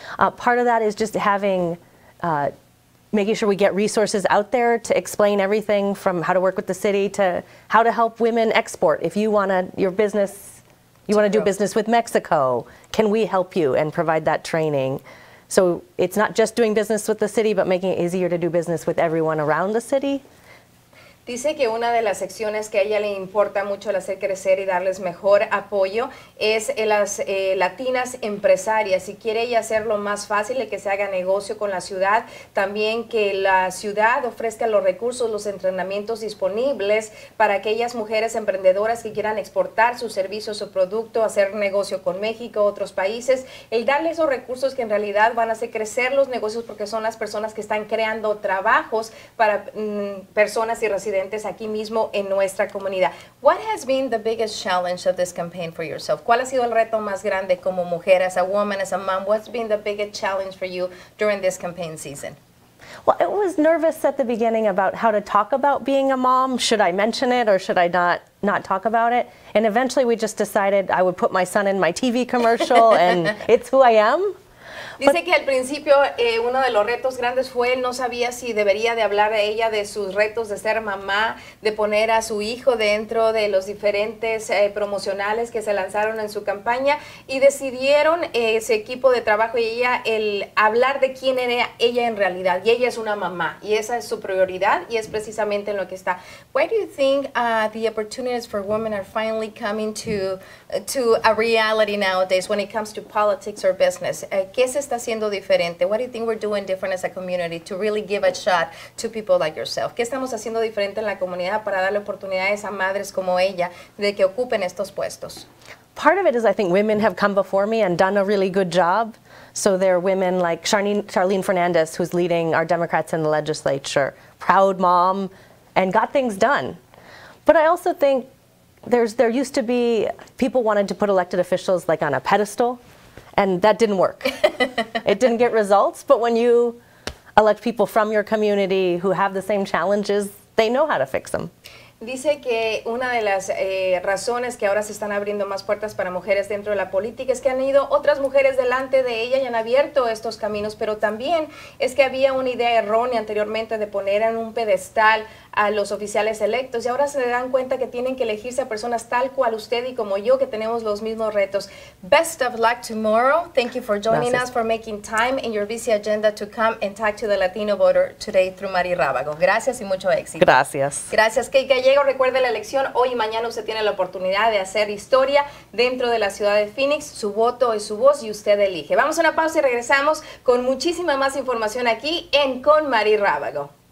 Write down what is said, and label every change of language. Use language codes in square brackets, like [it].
[en] Part of that is just having making sure we get resources out there to explain everything from how to work with the city to how to help women export. If you want to, your business, you want to do business with Mexico, can we help you and provide that training? So it's not just doing business with the city, but making it easier to do business with everyone around the city. [es] Dice que una de las secciones que a ella le importa mucho el hacer crecer y darles mejor apoyo es las latinas empresarias. Si quiere ella hacerlo más fácil y que se haga negocio con la ciudad, también que la ciudad ofrezca los recursos, los entrenamientos disponibles para aquellas mujeres emprendedoras que quieran exportar sus servicios o producto, hacer negocio con México, otros países. El darle esos recursos que en realidad van a hacer crecer los negocios, porque son las personas que están creando trabajos para personas y residentes aquí mismo en nuestra comunidad. [en] What has been the biggest challenge of this campaign for yourself? [es] ¿Cuál ha sido el reto más grande como mujer, [en] as a woman, as a mom? What's been the biggest challenge for you during this campaign season? Well, I was nervous at the beginning about how to talk about being a mom. Should I mention it or should I not talk about it? And eventually we just decided I would put my son in my TV commercial and it's who I am. [es] Dice que al principio uno de los retos grandes fue no sabía si debería de hablar a ella de sus retos de ser mamá, de poner a su hijo dentro de los diferentes promocionales que se lanzaron en su campaña y decidieron ese equipo de trabajo y ella el hablar de quién era ella en realidad y ella es una mamá y esa es su prioridad y es precisamente en lo que está. [en] Why do you think the opportunities for women are finally coming to a reality nowadays when it comes to politics or business? [es] ¿Qué se está haciendo diferente? [en] What do you think we're doing different as a community to really give a shot to people like yourself? [es] ¿Qué estamos haciendo diferente en la comunidad para darle oportunidades a madres como ella de que ocupen estos puestos? [en] Part of it is I think women have come before me and done a really good job. So there are women like Charlene Fernandez, who's leading our Democrats in the legislature, proud mom, and got things done. But I also think there used to be people wanted to put elected officials like on a pedestal, and that didn't work. It didn't get results, but when you elect people from your community who have the same challenges, they know how to fix them. [es] Dice que una de las razones que ahora se están abriendo más puertas para mujeres dentro de la política es que han ido otras mujeres delante de ella y han abierto estos caminos, pero también es que había una idea errónea anteriormente de poner en un pedestal a los oficiales electos y ahora se dan cuenta que tienen que elegirse a personas tal cual usted y como yo que tenemos los mismos retos. [en] Best of luck tomorrow. Thank you for joining [es] Gracias. [en] Us, for making time in your busy agenda to come and talk to the Latino voter today through Mari Rábago. [es] Gracias y mucho éxito. Gracias. Gracias, Kate Gallego. Recuerde la elección. Hoy y mañana usted tiene la oportunidad de hacer historia dentro de la ciudad de Phoenix. Su voto es su voz y usted elige. Vamos a una pausa y regresamos con muchísima más información aquí en Con Mari Rábago.